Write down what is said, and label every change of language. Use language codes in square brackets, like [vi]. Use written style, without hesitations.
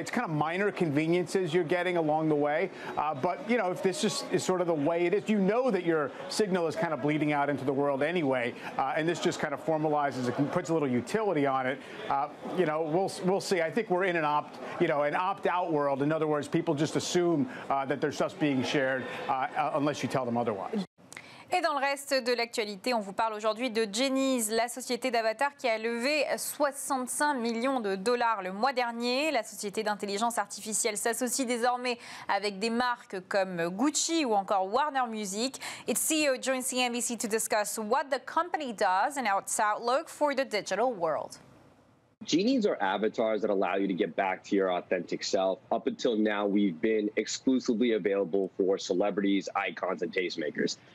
[en] It's kind of minor conveniences you're getting along the way. But, you know, if this just is sort of the way it is, you know that your signal is kind of bleeding out into the world anyway, and this just kind of formalizes it, puts a little utility on it. You know, we'll see. I think we're in an opt-out world. In other words, people just assume that there's stuff being shared unless you tell them otherwise. [fr] Et dans le reste de l'actualité, on vous parle aujourd'hui de Genies, la société d'avatar qui a levé 65 millions de dollars le mois dernier. La société d'intelligence artificielle s'associe désormais avec des marques comme Gucci ou encore Warner Music. [en] Its CEO joins CNBC to discuss what the company does and its outlook for the digital world. Genies are avatars that allow you to get back to your authentic self. Up until now, we've been exclusively available for celebrities, icons, and tastemakers.